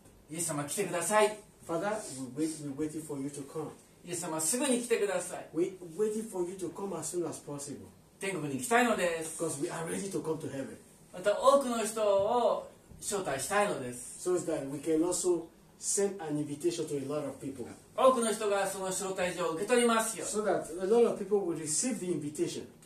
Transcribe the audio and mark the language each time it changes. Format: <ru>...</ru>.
<ja>イエス様来てください。</ja> <en>Father, we're waiting for you to come.</en> <ja>イエス様すぐに来てください。</ja> <en>We're waiting for you to come as soon as possible.</en> <ja>天国に来たいのです。</ja> <en>Because we are ready to come to heaven.</en> <ja>また多くの人を招待したいのです。</ja> <en>So that we can also send an invitation to a lot of people.</en> <ja>多くの人がその招待状を受け取りますよ。</ja> <en>So that a lot of people will receive the invitation.</en>